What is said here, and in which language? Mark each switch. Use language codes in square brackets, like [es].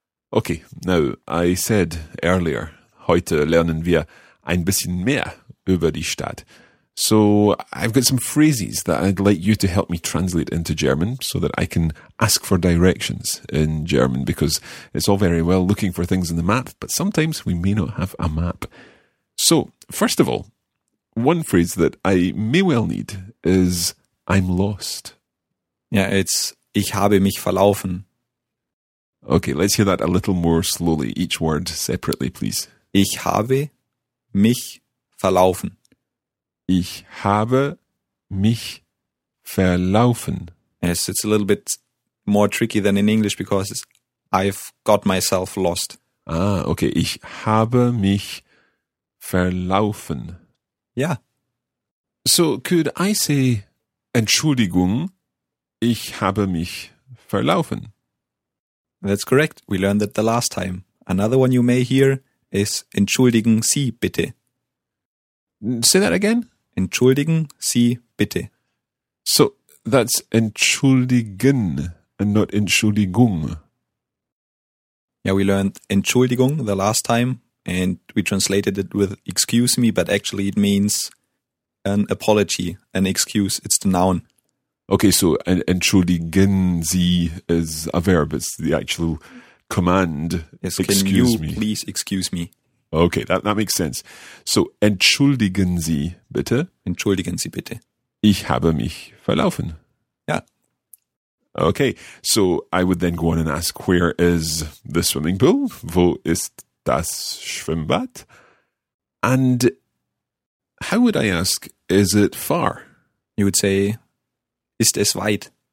[en] Okay, now, I said earlier, [de] heute lernen wir ein bisschen mehr über die Stadt. [en] So, I've got some phrases that I'd like you to help me translate into German so that I can ask for directions in German, because it's all very well looking for things in the map, but sometimes we may not have a map. So, first of all, one phrase that I may well need is I'm lost. Yeah, it's [de] ich habe mich verlaufen. [en] Okay, let's hear that a little more slowly, each word separately, please. [de] Ich habe mich verlaufen. Ich habe mich verlaufen. [en] Yes, it's a little bit more tricky than in English because it's I've got myself lost. Ah, okay. [de] Ich habe mich verlaufen. [en] Yeah. So could I say, [de] Entschuldigung, ich habe mich verlaufen? [en] That's correct. We learned that the last time. Another one you may hear is [de] Entschuldigen Sie bitte. [en] Say that again. [de] Entschuldigen Sie bitte. [en] So that's Entschuldigen and not Entschuldigung. Yeah, we learned Entschuldigung the last time. And we translated it with excuse me, but actually it means an apology, an excuse. It's the noun. Okay, so entschuldigen Sie is a verb. It's the actual command. Yes, excuse me. Can you please excuse me? Okay, that makes sense. [de] So entschuldigen Sie bitte. Entschuldigen Sie bitte. Ich habe mich verlaufen. [en] Yeah. Okay, so I would then go on and ask, where is the swimming pool? [de] Wo ist das Schwimmbad? [en] And how would I ask, is it far? You would say, [de] ist es weit?